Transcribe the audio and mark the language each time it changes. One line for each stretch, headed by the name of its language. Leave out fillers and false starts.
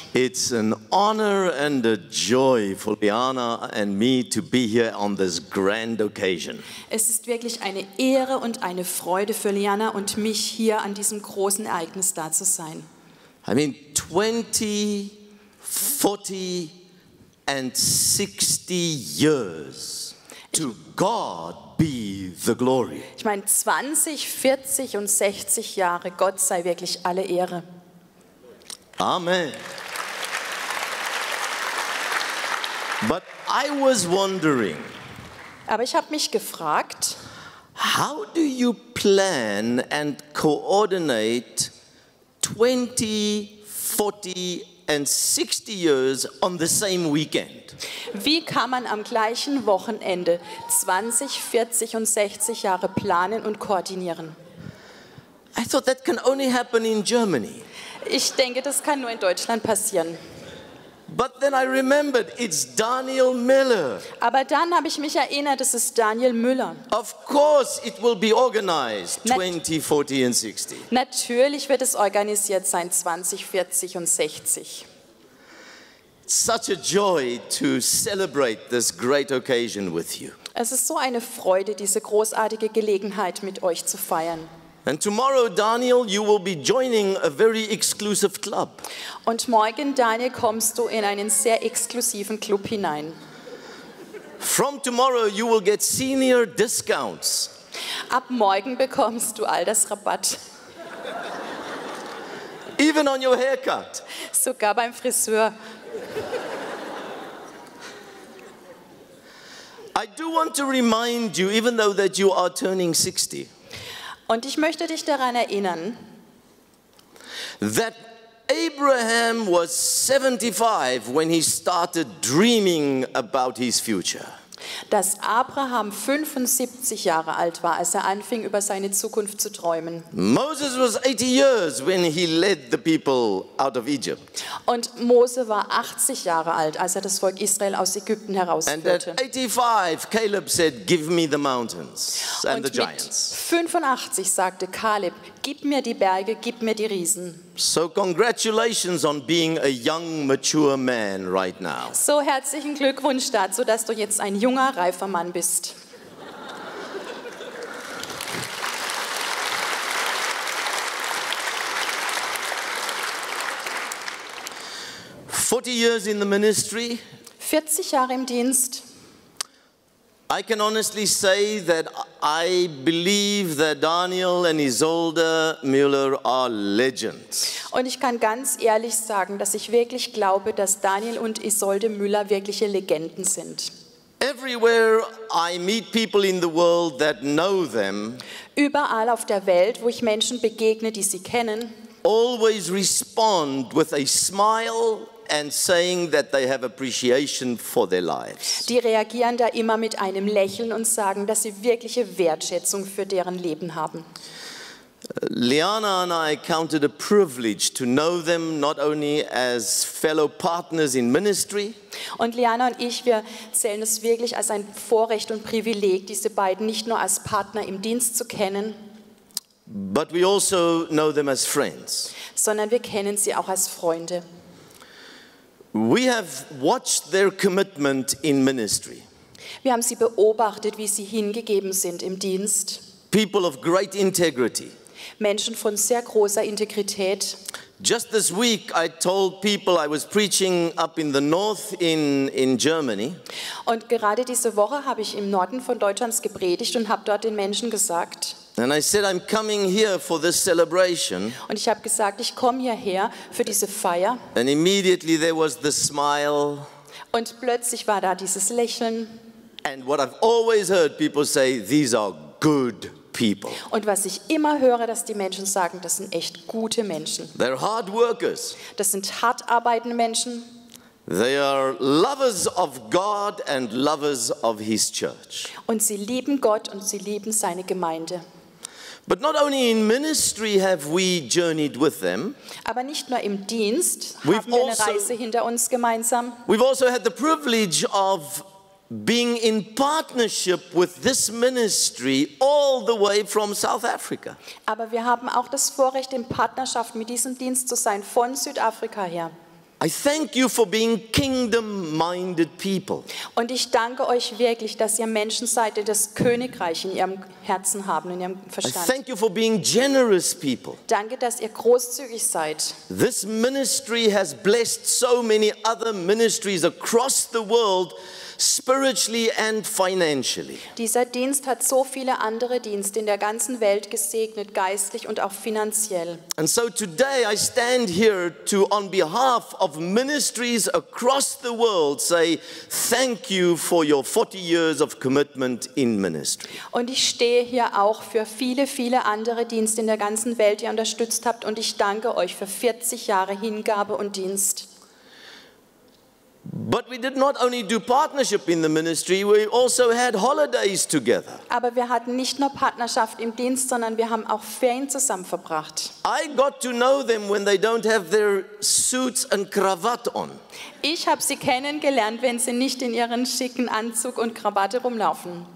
English: It's an honor and a joy for Liana and me to be here on this grand occasion.
German: Es ist wirklich eine Ehre und eine Freude für Liana und mich, hier an diesem großen Ereignis da zu sein.
English: I mean, 20, 40 and 60 years to God. Be the glory.
German: Ich meine 20, 40 und 60 Jahre, Gott sei wirklich alle Ehre.
English: Amen. But I was wondering.
German: Aber ich habe mich gefragt,
English: how do you plan and coordinate 20, 40 and 60 years on the same weekend?
German: Wie kann man am gleichen Wochenende 20, 40 und 60 Jahre planen und koordinieren?
English: I thought that can only happen in Germany.
German: Ich denke, das kann nur in Deutschland passieren.
English: But then I remembered, it's Daniel Miller.
German: Aber dann habe ich mich erinnert, es ist Daniel Müller.
English: Of course it will be organized, 20, 40 and 60.
German: Natürlich wird es organisiert sein, 20, 40 und 60.
English: Such a joy to celebrate this great occasion with you.
German: Es ist so eine Freude, diese großartige Gelegenheit mit euch zu feiern.
English: And tomorrow, Daniel, you will be joining a very exclusive club.
German: Und morgen, Daniel, kommst du in einen sehr exklusiven Club hinein.
English: From tomorrow, you will get senior discounts.
German: Ab morgen bekommst du all das Rabatt.
English: Even on your haircut.
German: Sogar beim Friseur.
English: I do want to remind you, even though that you are turning 60.
German: Und ich möchte dich daran erinnern,
English: that Abraham was 75 when he started dreaming about his future.
German: Dass Abraham 75 Jahre alt war, als er anfing, über seine Zukunft zu träumen.
English: Moses was 80 years when he led the people out of Egypt.
German: Und Mose war 80 Jahre alt, als er das Volk Israel aus Ägypten herausführte.
English: And at 85, Caleb said, "Give me the mountains and
German: Und
English: the giants."
German: Mit 85 sagte Caleb, "Gib mir die Berge, gib mir die Riesen."
English: So congratulations on being a young, mature man right now.
German: So herzlichen Glückwunsch dazu, dass du jetzt ein junger, reifer Mann bist.
English: Forty years in the ministry.
German: 40 Jahre im Dienst.
English: I can honestly say that I believe that Daniel and Isolde Müller are legends.
German: Und ich kann ganz ehrlich sagen, dass ich wirklich glaube, dass Daniel und Isolde Müller wirkliche Legenden sind.
English: Everywhere I meet people in the world that know them.
German: Überall auf der Welt, wo ich Menschen begegne, die sie kennen.
English: Always respond with a smile and saying that they have appreciation for their lives.
German: Die reagieren da immer mit einem Lächeln und sagen, dass sie wirkliche Wertschätzung für deren Leben haben.
English: Liana and I counted a privilege to know them not only as fellow partners in ministry.
German: Und Liana und ich, wir zählen es wirklich als ein Vorrecht und Privileg, diese beiden nicht nur als Partner im Dienst zu kennen.
English: But we also know them as friends.
German: Sondern wir kennen sie auch als Freunde.
English: We have watched their commitment in ministry.
German: Wir haben sie beobachtet, wie sie hingegeben sind im Dienst.
English: People of great integrity.
German: Menschen von sehr großer Integrität.
English: Just this week I told people I was preaching up in the north in Germany.
German: Und gerade diese Woche habe ich im Norden von Deutschland gepredigt und habe dort den Menschen gesagt.
English: And I said I'm coming here for this celebration.
German: Und ich habe gesagt, ich komme hierher für diese Feier.
English: And immediately there was the smile.
German: Und plötzlich war da dieses Lächeln.
English: And what I've always heard people say, these are good people.
German: Und was ich immer höre, dass die Menschen sagen, das sind echt gute Menschen.
English: They're hard workers.
German: Das sind hart arbeitende Menschen.
English: They are lovers of God and lovers of his church.
German: Und sie lieben Gott und sie lieben seine Gemeinde.
English: But not only in ministry have we journeyed with them.
German: Aber nicht nur im Dienst haben wir eine Reise hinter uns gemeinsam.
English: We've also had the privilege of being in partnership with this ministry all the way from South Africa.
German: Aber wir haben auch das Vorrecht, in Partnerschaft mit diesem Dienst zu sein, von Südafrika her.
English: I thank you for being kingdom-minded people.
German: Und ich danke euch wirklich, dass ihr Menschen seid, die das Königreich in ihrem Herzen haben, in ihrem Verstand.
English: I thank you for being generous people.
German: Danke, dass ihr großzügig seid.
English: This ministry has blessed so many other ministries across the world, spiritually and financially.
German: Dieser Dienst hat so viele andere Dienste in der ganzen Welt gesegnet, geistlich und auch finanziell.
English: And so today I stand here to, on behalf of ministries across the world, say thank you for your 40 years of commitment in ministry.
German: Und ich stehe hier auch für viele, viele andere Dienste in der ganzen Welt, die ihr unterstützt habt, und ich danke euch für 40 Jahre Hingabe und Dienst.
English: But we did not only do partnership in the ministry, we also had holidays together.
German: Aber wir hatten nicht nur Partnerschaft im Dienst, sondern wir haben auch Ferien zusammen verbracht.
English: I got to know them when they don't have their suits and cravat on.
German: Ich habe sie kennengelernt, wenn sie nicht in ihren schicken Anzug und Krawatte rumlaufen.